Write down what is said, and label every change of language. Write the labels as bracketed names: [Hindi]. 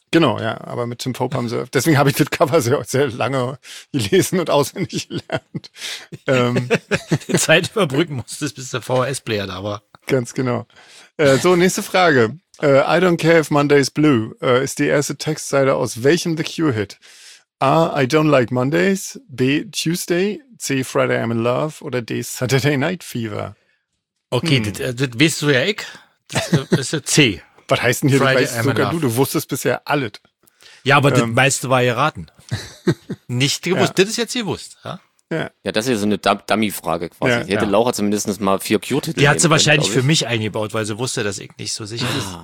[German] Genau, ja, aber mit Tim Pope haben sie, deswegen habe ich das Cover sehr lange gelesen und auswendig gelernt. Die Zeit überbrücken musstest, bis der VHS-Player da war. Ganz genau. So, nächste Frage. [English] I don't care if Monday is blue [German] ist die erste Textzeile aus welchem The Cure-Hit? A, I don't like Mondays, B, Tuesday, C, Friday I'm in Love oder D, Saturday Night Fever. Okay, das weißt du ja ich. Das ist ja C. Was heißt denn hier, Friday, du weißt I'm sogar du wusstest bisher alles. Ja, aber das meiste war erraten. Nicht gewusst, ja. Das ist jetzt gewusst. Ja? Ja, das ist ja so eine Dummy-Frage quasi. Ja, ich hätte Laura zumindest mal vier Cure-Titel. Die hat sie wahrscheinlich für mich eingebaut, weil sie wusste, dass ich nicht so sicher bin.